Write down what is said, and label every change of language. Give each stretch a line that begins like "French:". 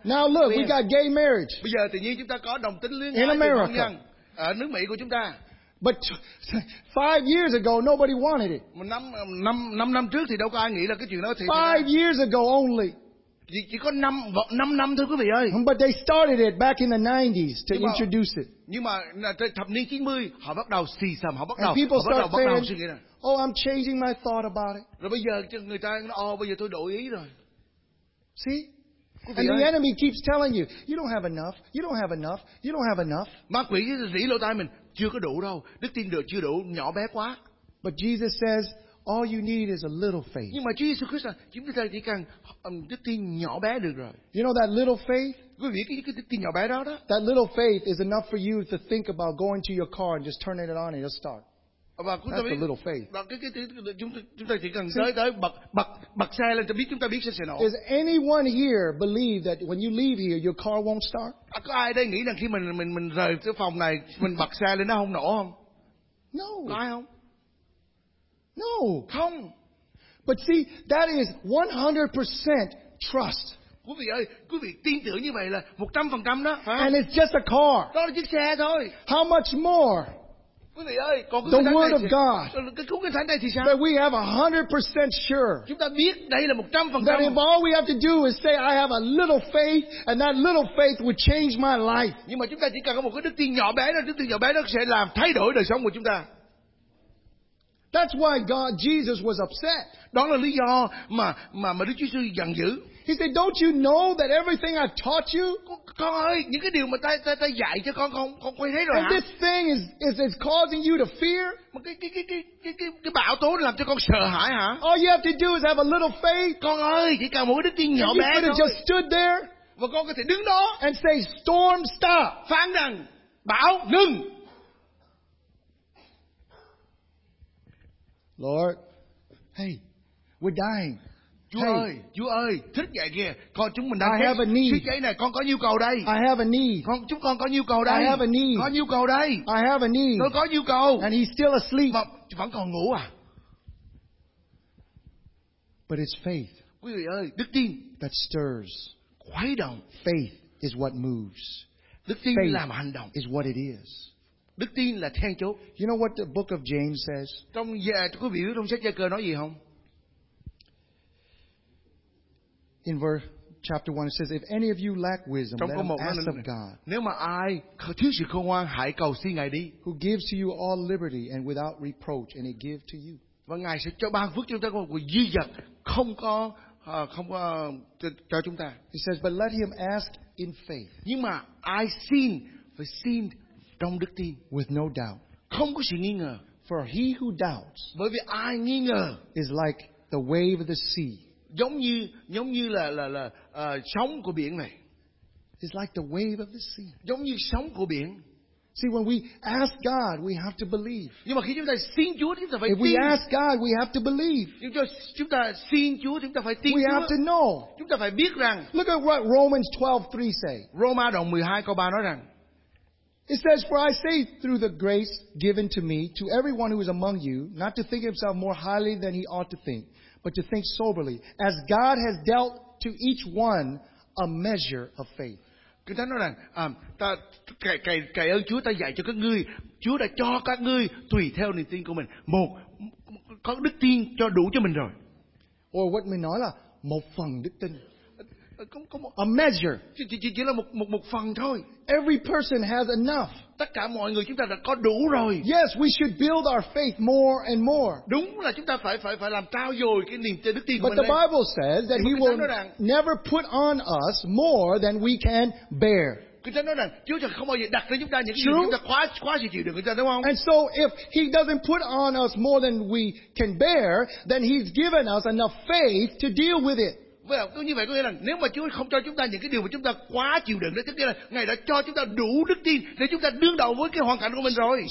English: Now look, we got gay marriage.
Vietnamese: Bây giờ tự nhiên chúng ta có đồng tính luyến ái hôn nhân. Ở nước Mỹ của chúng ta.
English: But 5 years ago, nobody wanted it.
Vietnamese: Năm trước thì đâu có ai nghĩ là cái chuyện đó. Thì
English: 5 years ago only.
Vietnamese: Chỉ có năm năm thôi quý vị ơi.
English: But they started it back in the 90s to introduce it.
Vietnamese: Nhưng mà thập niên 90 họ bắt đầu xì xầm, suy nghĩ là,
English: oh, I'm changing my thought about it.
Vietnamese: Rồi bây giờ người ta nói, oh, bây giờ tôi đổi ý rồi.
English: See? And the enemy keeps telling you, you don't have enough, you don't have enough, you don't have enough.
Vietnamese: Ma quỷ rỉ lỗ tai mình, chưa có đủ đâu, đức tin được chưa đủ, nhỏ bé quá.
English: But Jesus says, all you need is a little faith.
Vietnamese: Nhưng mà Chúa Giêsu Christ nói, chúng ta chỉ cần đức tin nhỏ bé được rồi.
English: You know that little faith?
Vietnamese: Quý vị biết cái đức tin nhỏ bé đó đó.
English: That little faith is enough for you to think about going to your car and just turning it on and it'll start. That's the little faith.
Vietnamese: Chúng ta chỉ cần tới bật xe lên cho biết chúng ta biết sẽ nổ.
English: Does anyone here believe that when you leave here your car won't start?
Vietnamese: Có ai đây nghĩ rằng khi mình rời cái phòng này mình bật xe lên nó không nổ không?
English: No.
Vietnamese: Có ai không?
English: No.
Vietnamese: Không.
English: But see, that is 100% trust.
Vietnamese: Quý vị ơi, quý vị tin tưởng như vậy là 100% đó.
English: And it's just a car.
Vietnamese: Đó là chiếc xe thôi.
English: How much more?
Vietnamese: Ơi,
English: the word of God. That we have 100% sure.
Vietnamese: Chúng ta biết đây là 100%.
English: That if all we have to do is say I have a little faith, and that little faith would change my life.
Vietnamese: Nhưng mà chúng ta chỉ cần có một cái đức tin nhỏ bé đó, đức tin nhỏ bé đó sẽ làm thay đổi đời sống của chúng ta.
English: That's why God, Jesus was upset.
Vietnamese: Đó là lý do mà Đức Chúa Jesus giận dữ.
English: He said, "Don't you know that everything I taught you?"
Vietnamese: Con ơi, những cái điều mà ta dạy cho con quên hết rồi.
English: And this thing is causing you to fear.
Vietnamese: Mà cái bão tố làm cho con sợ hãi hả?
English: All you have to do is have a little faith.
Vietnamese: Con ơi, chỉ cần một đức tin nhỏ bé thôi.
English: You could have just stood there.
Vietnamese: Và con có thể đứng đó.
English: And say, "Storm, stop."
Vietnamese: Phán rằng bão ngừng.
English: Lord, hey, we're dying.
Vietnamese: Chúa ơi, thức dậy kìa. Con chúng mình đã
English: I have a need.
Vietnamese: Chúa này, con có nhu cầu đây.
English: I have a need.
Vietnamese: Chúng con có nhu cầu đây.
English: I have a need.
Vietnamese: Có nhu cầu đây.
English: I have a need.
Vietnamese: Tôi có nhu cầu.
English: And he's still asleep.
Vietnamese: Mà vẫn còn ngủ à?
English: But it's faith.
Vietnamese: Quý vị ơi, đức tin.
English: That stirs.
Vietnamese: Khuấy động.
English: Faith is what moves.
Vietnamese: Đức tin làm hành động.
English: Is what it is.
Vietnamese: Đức tin là then chốt.
English: You know what the book of James says?
Vietnamese: Trong quý vị biết trong sách Gia-cơ nói gì không?
English: In verse chapter 1 it says if any of you lack wisdom,
Vietnamese: trong
English: let him ask of God.
Vietnamese: Nếu mà ai thiếu sự khôn ngoan hãy cầu xin Ngài đi.
English: Who gives to you all liberty and without reproach and he give to you.
Vietnamese: Và Ngài sẽ cho ban phước cho chúng ta một dư dật không có cho chúng ta.
English: He says but let him ask in faith.
Vietnamese: Nhưng mà ai xin phải xin trong đức tin.
English: With no doubt.
Vietnamese: Không có sự nghi ngờ.
English: For he who doubts.
Vietnamese: Bởi vì ai nghi ngờ.
English: Is like the wave of the sea.
Vietnamese: Giống như là sóng của biển này.
English: It's like the wave of the sea.
Vietnamese: Giống như sóng của biển.
English: See, when we ask God, we have to believe.
Vietnamese: Nhưng mà khi chúng ta xin Chúa, chúng ta phải
English: if
Vietnamese: tin.
English: We ask God, we have to believe.
Vietnamese: Chúng ta xin Chúa, chúng ta phải tin
English: we
Vietnamese: Chúa.
English: Have to know.
Vietnamese: Chúng ta phải biết rằng.
English: Look at what Romans 12:3 say.
Vietnamese: Roma đoạn 12 câu 3 nói rằng.
English: It says, for I say through the grace given to me to everyone who is among you, not to think himself more highly than he ought to think, but to think soberly, as God has dealt to each one a measure of faith.
Vietnamese: Kinh Thánh nói rằng, ta cậy ơn Chúa, ta dạy cho các ngươi, Chúa đã cho các ngươi tùy theo niềm tin của mình một có đức tin cho đủ cho mình rồi.
English: Or what
Vietnamese: mình nói là một phần đức tin.
English: A measure.
Vietnamese: Chỉ là một phần thôi.
English: Every person has enough.
Vietnamese: Tất cả mọi người chúng ta đã có đủ rồi.
English: Yes, we should build our faith more and more.
Vietnamese: Đúng là chúng ta phải làm trao dồi cái niềm tin, đức tin của mình.
English: But the Bible says that He will never put on us more than we can bear.
Vietnamese: Kinh Thánh nói rằng Chúa sẽ không bao giờ đặt lên chúng ta những cái gì chúng ta quá chịu được, đúng không?
English: And so if He doesn't put on us more than we can bear, then He's given us enough faith to deal with it.
Vietnamese: Vậy như vậy có nghĩa là nếu mà Chúa không cho chúng ta những cái điều mà chúng ta quá chịu đựng, tức là Ngài đã cho chúng ta đủ đức tin để chúng ta đương đầu với cái hoàn cảnh của mình rồi.